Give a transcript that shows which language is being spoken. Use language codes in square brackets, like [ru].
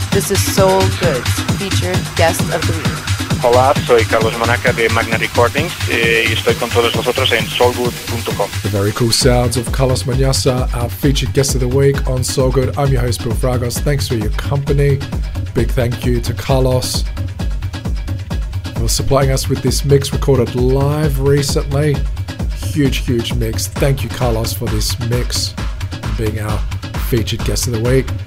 [en] is Soul Good, featured guest of the week. [es] Hola, soy Carlos Manaca de Magna Recordings y estoy con todos vosotros en soulgood.com. [en] The very cool sounds of Carlos Manaca, our featured guest of the week on SoulGood. I'm your host, Bill Fragos. Thanks for your company. Big thank you to Carlos for supplying us with this mix recorded live recently. Huge, huge mix. Thank you, Carlos, for this mix and being our featured guest of the week.